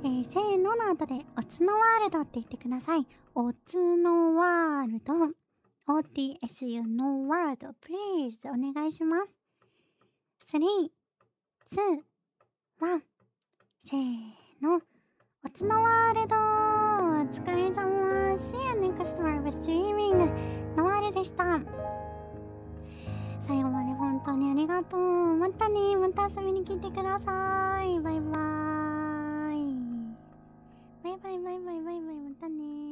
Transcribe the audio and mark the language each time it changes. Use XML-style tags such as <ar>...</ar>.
<ja>せーのの後でオツノワールドって言ってください。オツノワールドOTSU No World Please お願いします。 3,2,1 せーの、おつのワールド、お疲れ様。</ja> <en>See you next live streaming</en> <ja>のワールでした。最後まで本当にありがとう。またね、また遊びに来てください。バイバイバイバイバイバイバイバイ、またね。</ja>